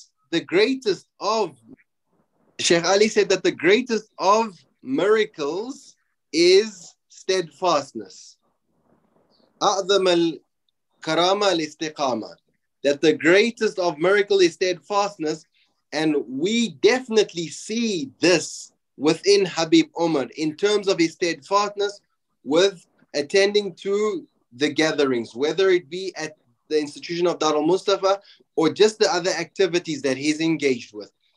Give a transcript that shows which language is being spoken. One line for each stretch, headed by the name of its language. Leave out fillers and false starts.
English: The greatest of, Sheikh Ali said that the greatest of miracles is steadfastness.
Arabic: أعظم الكرامة الاستقامة.
English: That the greatest of miracles is steadfastness. And we definitely see this within Ḥabīb ʿUmar in terms of his steadfastness with attending to the gatherings, whether it be at the institution of Darul Mustafa, or just the other activities that he's engaged with.